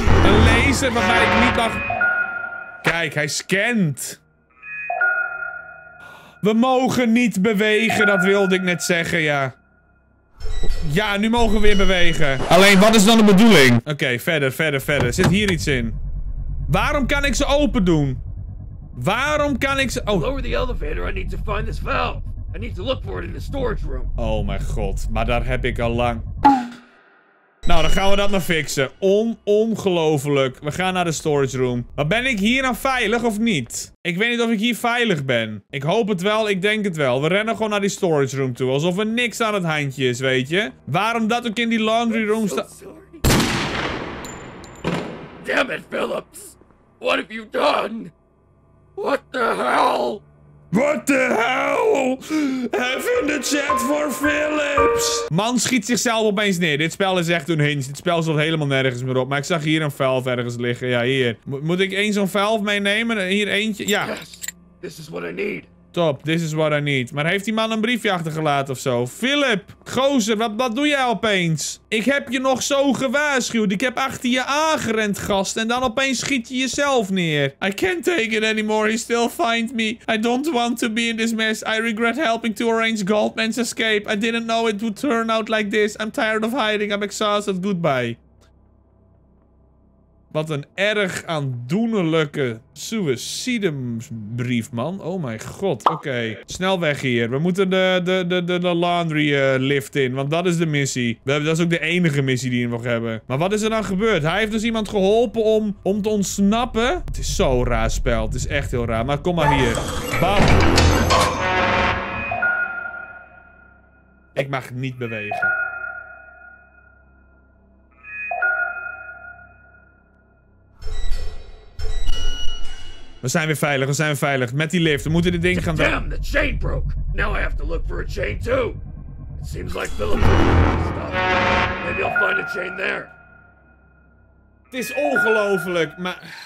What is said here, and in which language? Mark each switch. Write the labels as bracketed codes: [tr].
[nl] een laser waarbij ik niet mag... Kijk, hij scant. We mogen niet bewegen, dat wilde ik net zeggen, ja. Ja, nu mogen we weer bewegen. Alleen, wat is dan de bedoeling? Oké, verder. Zit hier iets in? Waarom kan ik ze open doen? Waarom kan ik ze... Oh. [en] Lower the elevator, I need to find this valve. I need to look for it in the storage room. [nl] Oh mijn god, maar daar heb ik al lang. Nou, dan gaan we dat maar fixen. Ongelooflijk. We gaan naar de storage room. Maar ben ik hier nou veilig of niet? Ik weet niet of ik hier veilig ben. Ik hoop het wel, ik denk het wel. We rennen gewoon naar die storage room toe. Alsof er niks aan het handje is, weet je? Waarom dat ook in die laundry room sta... [en] Damn it, Phillips. What have you done? What the hell? What the hell? [nl] Even de chat voor Phillips. Man schiet zichzelf opeens neer. Dit spel is echt een hinge. Dit spel zat helemaal nergens meer op. Maar ik zag hier een valve ergens liggen. Ja, hier. Moet ik één zo'n valve meenemen? Hier eentje? Ja. [en] Yes, this is what I need. Top, this is what I need. [nl] Maar heeft die man een briefje achtergelaten of zo? Philip, gozer, wat doe jij opeens? Ik heb je nog zo gewaarschuwd. Ik heb achter je aangerend, gast. En dan opeens schiet je jezelf neer. [en] I can't take it anymore. He still find me. I don't want to be in this mess. I regret helping to arrange Goldman's escape. I didn't know it would turn out like this. I'm tired of hiding. I'm exhausted. Goodbye. [nl] Wat een erg aandoenlijke suicidebrief, man. Oh mijn god, oké. Snel weg hier. We moeten de laundry lift in, want dat is de missie. Dat is ook de enige missie die we nog hebben. Maar wat is er dan gebeurd? Hij heeft dus iemand geholpen om te ontsnappen. Het is zo raar spel. Het is echt heel raar. Maar kom maar hier. Bam. Ik mag niet bewegen. We zijn weer veilig. Met die lift. We moeten dit ding gaan... [en] Damn, the chain broke. Now I have to look for a chain too. It seems like Phillips is going to stop. Maybe I'll find a chain there. [nl] Het is ongelofelijk, maar...